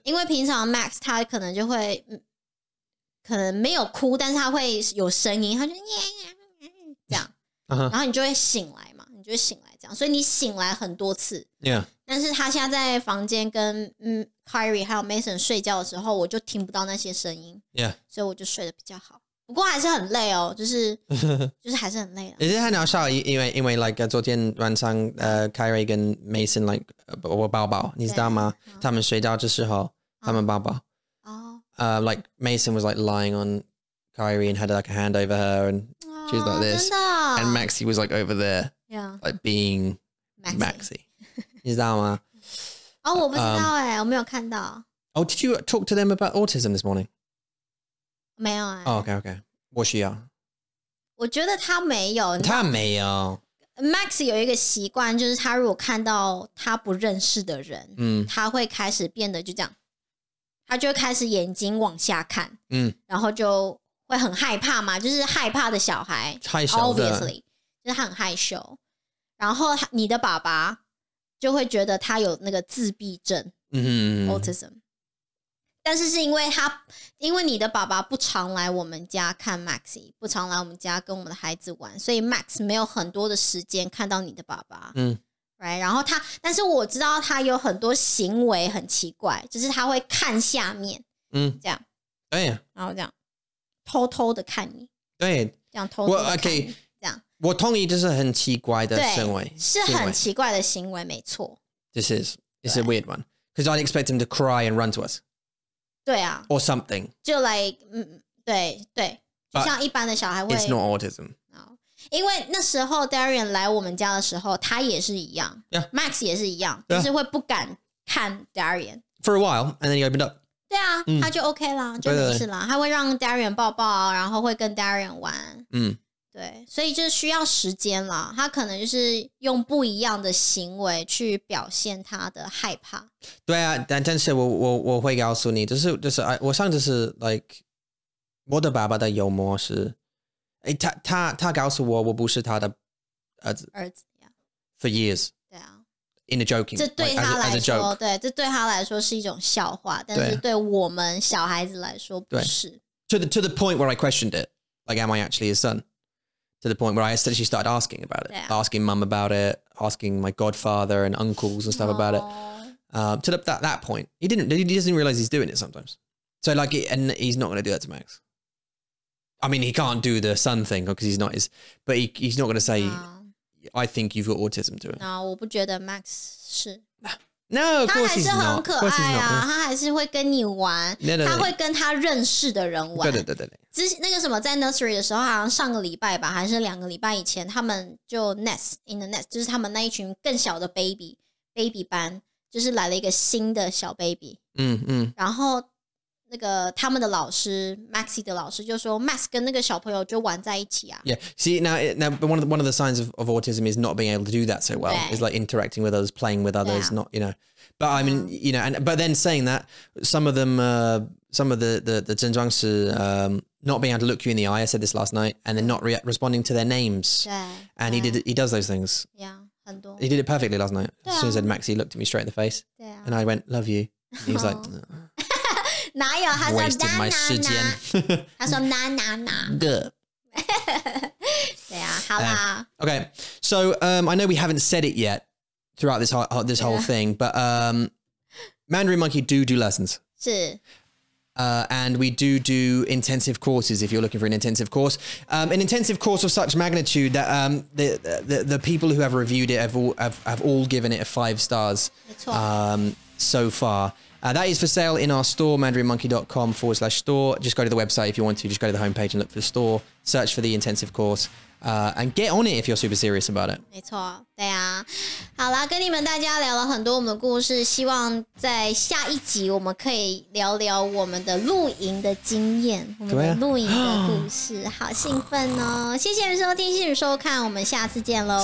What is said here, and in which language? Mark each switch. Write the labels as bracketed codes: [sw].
[zh] 因为平常 Max 他可能就会可能没有哭但是他会有声音他就这样、 uh-huh. 然后你就会醒来嘛你就会醒来这样所以你醒来很多次 [en] Yeah. [zh] 但是他现在在房间跟 Kyrie 还有 Mason 睡觉的时候我就听不到那些声音 [en] Yeah. [zh] 所以我就睡得比较好不过还是很累哦就是还是很累 [en] 了 Is it kind of sad 因为 like [zh] 昨天晚上Kyrie 跟 Mason like 我抱抱你知道吗他们睡觉的时候他们抱抱 [en] like Mason was like lying on Kyrie and had like a hand over her and she was like this and Maxie was like over there yeah like being Maxie [zh] 你知道吗哦我不知道耶我没有看到 [en] Oh did you talk to them about autism this morning Oh, [zh] okay. 我需要。我觉得他没有。他没有。 Max 有一个习惯，就是他如果看到他不认识的人，他会开始变得就这样，他就会开始眼睛往下看，然后就会很害怕嘛，就是害怕的小孩，害羞的，obviously，就是他很害羞。然后你的爸爸就会觉得他有那个自闭症，autism。但是是因为他，因为你的爸爸不常来我们家看 Maxi， 不常来我们家跟我们的孩子玩，所以 Max 没有很多的时间看到你的爸爸。 Right， 然后他，但是我知道他有很多行为很奇怪，就是他会看下面，这样，对，然后这样偷偷的看你，对，这样偷偷的看你， [en] okay, [zh] 这样，我同意，这是很奇怪的行为，是很奇怪的行为，没错。 [en] This is a weird one because I'd expect him to cry and run to us. [zh] 对啊 [en] or something [zh] 就 like 对对就像一般的小孩会 [en] it's not autism [zh] 因为那时候 Darian 来我们家的时候他也是一样 [en] yeah. [zh] Max 也是一样就、yeah. 是会不敢看 Darian [en] for a while and then he opened up [zh] 对啊、他就 OK 啦就没事啦他会让 Darian 抱抱然后会跟 Darian 玩对所以就需要时间啦他可能就是用不一样的行为去表现他的害怕对啊但是 我会告诉你就是我上次是 like 我的爸爸的幽默是、欸、他告诉我我不是他的儿子、 [en] yeah. for years [zh] 对啊 [en] in a joking [zh] 这对他来说 [en] like, as a joke. [zh] 对这对他来说是一种笑话但是对我们小孩子来说不是 [en] to the point where I questioned it like am I actually his sonTo the point where I actually started asking about it,、 yeah. asking mum about it, asking my godfather and uncles and stuff、Aww. About it.、To that point, he doesn't realize he's doing it sometimes. So like, and he's not going to do that to Max. I mean, he can't do the son thing because he's not his, but he's not going to say,、I think you've got autism to it. [zh] No, 我不觉得 Max 是。 [en] No, of course he's not. [zh] 他还是很可爱啊，他还是会跟你玩，他会跟他认识的人玩。对对对对对。之前那个什么，在 nursery 的时候，好像上个礼拜吧，还是两个礼拜以前，他们就 [en] nest in the nest， [zh] 就是他们那一群更小的 baby 班，就是来了一个新的小 baby。嗯嗯。然后那个他们的老师 Maxi 的老师就说 ，Max 跟那个小朋友就玩在一起啊。 [en] Yeah, see now one of the signs of autism is not being able to do that so well. Is like interacting with others, playing with others,、 yeah. not you know. But、yeah. I mean you know, and but then saying that some of them、some of the 症状是、not being able to look you in the eye. I said this last night, and then not responding to their names. Yeah, and he does those things. [zh] Yeah, 很多 [en] He did it perfectly last night. As soon as said Maxi looked at me straight in the face, yeah, and I went love you. He was like.、Oh. [zh] 哪有他说娜娜娜他说娜娜娜对对啊好啦、 [en] Okay so I know we haven't said it yet throughout this whole thing but Mandarin Monkey do lessons [zh] 是 [en] And we do intensive courses if you're looking for an intensive course. An intensive course of such magnitude that the people who have reviewed it have all given it a 5 stars so far. That is for sale in our store, mandarinmonkey.com/store. Just go to the website if you want to. Just go to the homepage and look for the store. Search for the intensive course. And get on it if you're super serious about it. [zh] 没错，对啊。好啦，跟你们大家聊了很多我们的故事，希望在下一集我们可以聊聊我们的露营的经验，我们的露营的故事，啊、好兴奋哦！谢谢收听，谢谢收看，我们下次见喽，